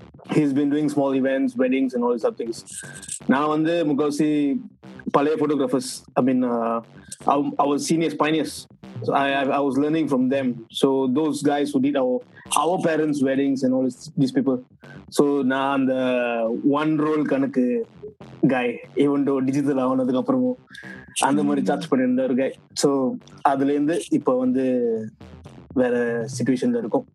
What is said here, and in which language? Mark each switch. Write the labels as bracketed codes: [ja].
[en] He's been doing small events, weddings and all these other things. Now, [ta] வந்து முக்கால்வாசி பழைய [en] photographers, our seniors, pioneers. So I was learning from them. So those guys who did our parents' weddings and all these people. So now I'm the one role கணக்கு guy, even though digital [ta] ஆனதுக்கு அப்புறமும் அந்த மாதிரி charge பண்ணியிருந்த ஒரு [en] guy. [ta] So அதுலேருந்து இப்போ வந்து வேற சிச்சுவேஷன்ல இருக்கும்.